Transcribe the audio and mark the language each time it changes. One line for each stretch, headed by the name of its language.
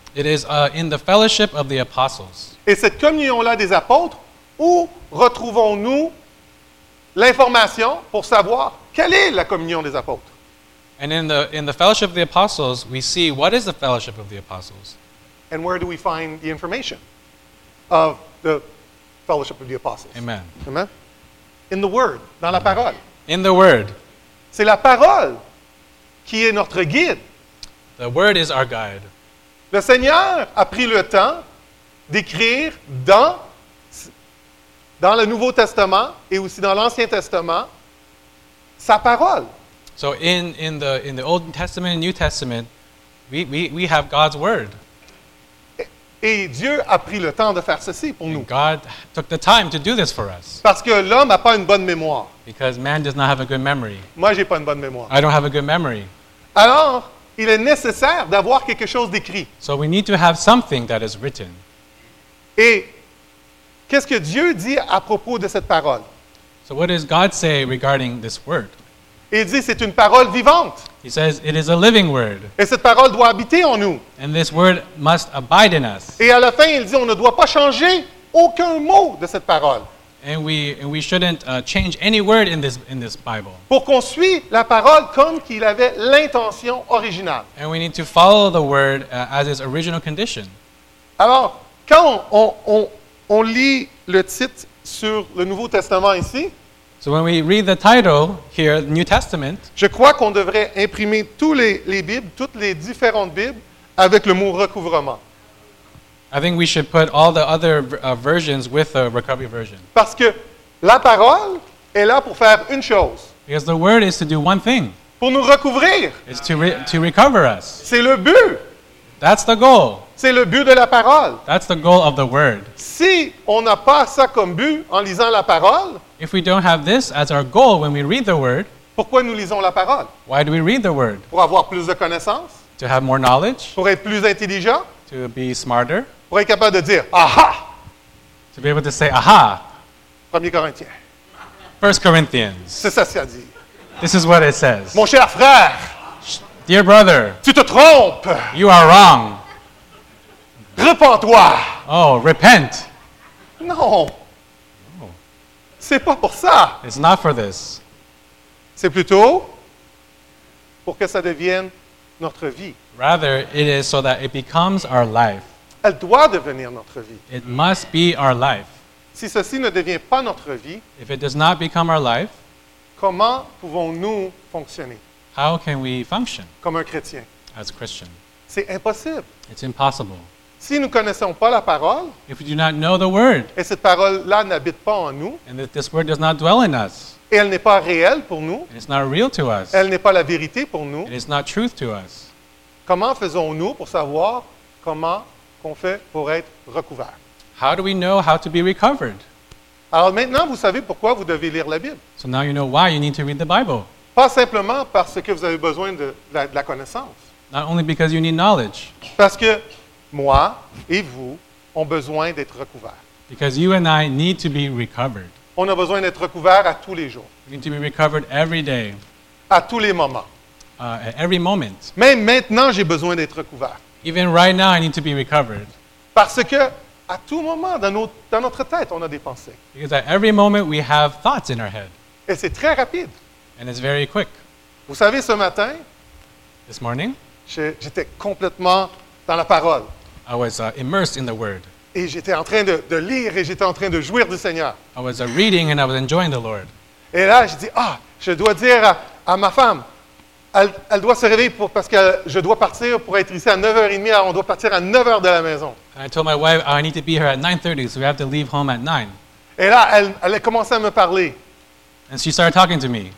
English: It is in the fellowship of the apostles.
French: Et cette communion là des apôtres, où retrouvons-nous l'information pour savoir quelle est la communion des apôtres?
English: And in the fellowship of the apostles, we see what is the fellowship of the apostles. And where do we find the information of the fellowship of the apostles? Amen. Amen. In the word,
French: dans la parole.
English: In the word.
French: C'est la parole qui est notre guide.
English: The word is our guide.
French: Le Seigneur a pris le temps d'écrire dans le Nouveau Testament et aussi dans l'Ancien Testament sa parole.
English: So in the Old Testament and New Testament, we have God's word.
French: Et Dieu a pris le temps de faire ceci pour nous.
English: God took the time to do this for us.
French: Parce que l'homme n'a pas une bonne mémoire.
English: Because man does not have a good memory.
French: Moi, j'ai pas une bonne mémoire.
English: I don't have a good memory.
French: Alors, il est nécessaire d'avoir quelque chose d'écrit.
English: So we need to have something that is written.
French: Et qu'est-ce que Dieu dit à propos de cette parole?
English: So what does God say regarding this word?
French: Il dit c'est une parole vivante.
English: He says it is a living word.
French: Et cette parole doit habiter en nous.
English: And this word must abide in us.
French: Et à la fin, il dit on ne doit pas changer aucun mot de cette parole.
English: And we shouldn't change any word in this Bible.
French: Pour qu'on suit la parole comme qu'il avait l'intention originale.
English: And we need to follow the word as its original condition.
French: Alors, quand on lit le titre sur le Nouveau Testament ici,
English: so when we read the title here, New Testament,
French: je crois qu'on devrait imprimer toutes les Bibles, toutes les différentes Bibles, avec le mot recouvrement.
English: I think we should put all the other versions with the recovery version.
French: Parce que la parole est là pour faire une chose.
English: Because the word is to do one thing.
French: Pour nous recouvrir.
English: It's to recover us.
French: C'est le but.
English: That's the goal.
French: C'est le but de la parole.
English: That's the goal of the word.
French: Si on n'a pas ça comme but en lisant la parole,
English: if we don't have this as our goal when we read the word,
French: pourquoi nous lisons la parole?
English: Why do we read the word?
French: Pour avoir plus de connaissances?
English: To have more knowledge?
French: Pour être plus intelligent?
English: To be smarter?
French: Pour être capable de dire aha!
English: To be able to say aha!
French: 1 Corinthiens.
English: 1 Corinthians.
French: C'est ça ce qu'il a dit.
English: This is what it says.
French: Mon cher frère.
English: Dear brother.
French: Tu te trompes.
English: You are wrong.
French: Repens-toi.
English: Oh, repent.
French: Non. C'est pas pour ça.
English: It's not for this.
French: C'est plutôt pour que ça devienne notre vie.
English: Rather, it is so that it becomes our life.
French: Elle doit devenir notre vie.
English: It must be our life.
French: Si ceci ne devient pas notre vie,
English: if it does not become our life,
French: comment pouvons-nous fonctionner?
English: How can we function?
French: Comme un chrétien.
English: As a Christian.
French: C'est impossible.
English: It's impossible.
French: Si nous ne connaissons pas la parole,
English: if we do not know the word,
French: et cette parole-là n'habite pas en nous,
English: and that this word does not dwell in us,
French: et elle n'est pas réelle pour nous,
English: and it's not real to us,
French: elle n'est pas la vérité pour nous,
English: and it's not truth to us,
French: comment faisons-nous pour savoir comment qu'on fait pour être recouvert?
English: How do we know how to be recovered?
French: Alors maintenant, vous savez pourquoi vous devez lire la Bible.
English: So now you know why you need to read the Bible.
French: Pas simplement parce que vous avez besoin de la connaissance.
English: Not only because you need knowledge.
French: Parce que moi et vous avons besoin d'être recouverts.
English: Because you and I need to be recovered.
French: On a besoin d'être recouverts à tous les jours.
English: We need to be recovered every day.
French: À tous les moments.
English: At every moment.
French: Même maintenant, j'ai besoin d'être recouvert.
English: Even right now, I need to be recovered.
French: Parce que à tout moment, dans notre tête, on a des pensées.
English: Because at every moment, we have thoughts in our head.
French: Et c'est très rapide.
English: And it's very quick.
French: Vous savez, ce matin,
English: this morning,
French: j'étais complètement dans la parole.
English: I was immersed in the word.
French: Et j'étais en train de lire et j'étais en train de jouir du Seigneur.
English: I was reading and I was enjoying the Lord.
French: Et là, je dis, je dois dire à ma femme, elle doit se réveiller parce que je dois partir pour être ici à 9h30. Alors on doit partir à 9h de la maison.
English: And I told my wife, I need to be here at 9:30, so we have to leave home at 9.
French: Et là, elle a commencé à me parler.
English: And she started talking to me.